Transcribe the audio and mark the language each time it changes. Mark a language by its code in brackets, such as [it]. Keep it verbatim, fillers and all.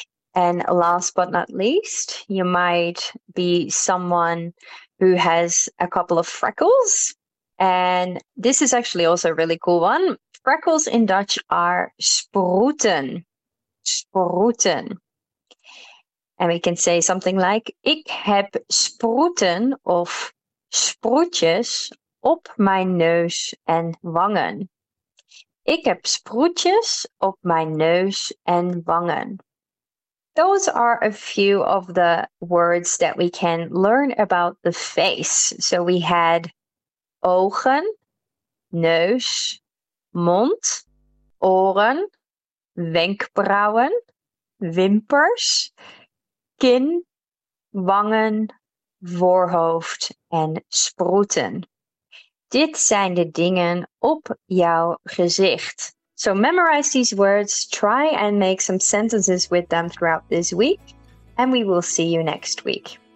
[en] And last but not least, you might be someone who has a couple of freckles. And this is actually also a really cool one. Freckles in Dutch are sproeten. Sproeten. And we can say something like, [nl] ik heb sproeten of sproetjes op mijn neus en wangen. Ik heb sproetjes op mijn neus en wangen. [en] Those are a few of the words that we can learn about the face. So we had ogen, neus, mond, oren, wenkbrauwen, wimpers, kin, wangen, voorhoofd en sproeten. [nl] Dit zijn de dingen op jouw gezicht. [en] So memorize these words, try and make some sentences with them throughout this week, and we will see you next week.